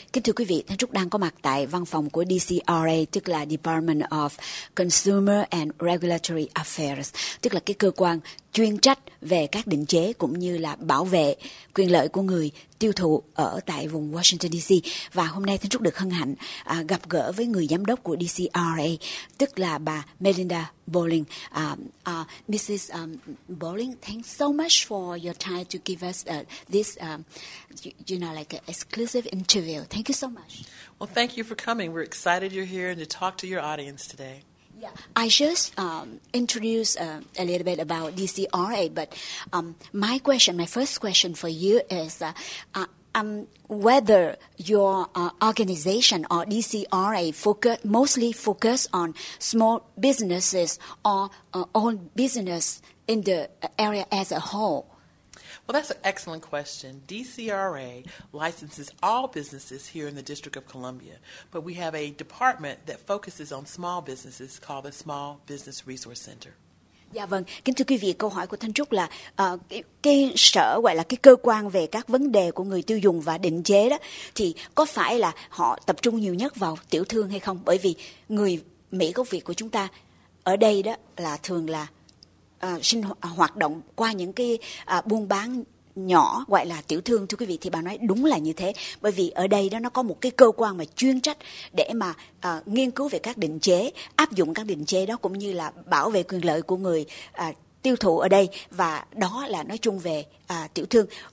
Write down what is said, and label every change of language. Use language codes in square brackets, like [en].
[vi] Kính thưa quý vị, Thanh Trúc đang có mặt tại văn phòng của DCRA, tức là Department of Consumer and Regulatory Affairs, tức là cái cơ quan chuyên trách về các định chế cũng như là bảo vệ quyền lợi của người tiêu thụ ở tại vùng Washington DC. Và hôm nay Thanh Trúc được hân hạnh gặp gỡ với người giám đốc của DCRA, tức là bà Melinda Bowling. [en] Mrs. Bowling, thanks so much for your time to give us this, you know, like an exclusive interview. Thank you so much. Well, thank you for coming. We're excited you're here and to talk to your audience today. Yeah, I just introduced a little bit about DCRA, but my first question for you is whether your organization or DCRA mostly focus on small businesses or own business in the area as a whole. Well, that's an excellent question. DCRA licenses all businesses here in the District of Columbia, but we have a department that focuses on small businesses called the Small Business Resource Center. [vi] Dạ vâng, kính thưa quý vị, câu hỏi của Thanh Trúc là cái sở gọi là cái cơ quan về các vấn đề của người tiêu dùng và định chế đó, thì có phải là họ tập trung nhiều nhất vào tiểu thương hay không? Bởi vì người Mỹ gốc Việt của chúng ta ở đây đó là thường là hoạt động qua những cái buôn bán nhỏ gọi là tiểu thương, thưa quý vị, thì bà nói đúng là như thế, bởi vì ở đây đó nó có một cái cơ quan mà chuyên trách để mà nghiên cứu về các định chế, áp dụng các định chế đó cũng như là bảo vệ quyền lợi của người tiêu thụ ở đây, và đó là nói chung về tiểu thương.